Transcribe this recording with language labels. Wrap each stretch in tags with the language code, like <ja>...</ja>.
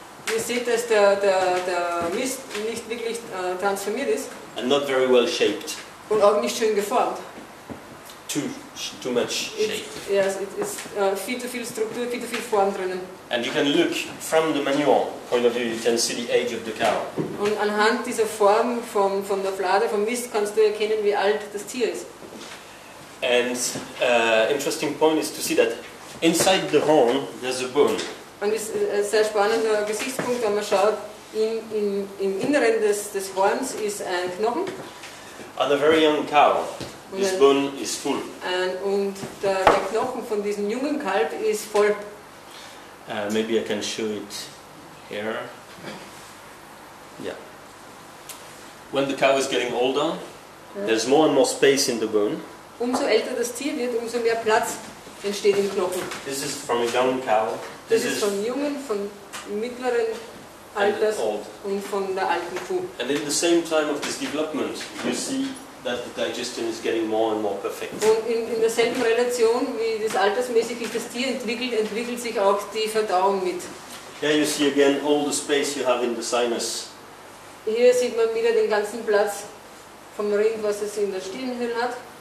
<en>You see that the</en> <de>mist nicht wirklich transformiert ist.</de> <en>And not very well shaped.</en> <de>Und auch nicht schön geformt.</de> <en>Too much shape. Yes, it's</en> <de>viel zu viel Struktur, viel zu viel Form drinnen.</de> <en>And you can look from the manure point of view, you can see the age of the cow.</en> <de>Und anhand dieser Form von der Flade, vom Mist, kannst du erkennen, wie alt das Tier ist.</de> <en>And interesting point is to see that inside the horn there's a bone.</en> <de>Und es ist ein sehr spannender Gesichtspunkt, wenn man schaut, im Inneren des Horns ist ein Knochen.</de> <en>On a very young cow, this bone is full.</en> <de>Und der Knochen von diesem jungen Kalb ist voll.</de> <en>Maybe I can show it here. Yeah. When the cow is getting older, there's more and more space in the bone.</en> <de>Umso älter das Tier wird, umso mehr Platz entsteht im Knochen.</de> <en>This is from a young cow.</en> <de>Das ist von jungen, von mittleren Alters und von der alten Kuh.</de> <en>And in the same time of this development, you see that the digestion is getting more and more perfect.</en> <de>Und in derselben Relation wie das altersmäßig sich das Tier entwickelt sich auch die Verdauung mit.</de> <en>Here you see again all the space you have in the sinus.</en> <de>Hier sieht man wieder den ganzen Platz vom Rind, was es in der Stirnhöhle hat.</de>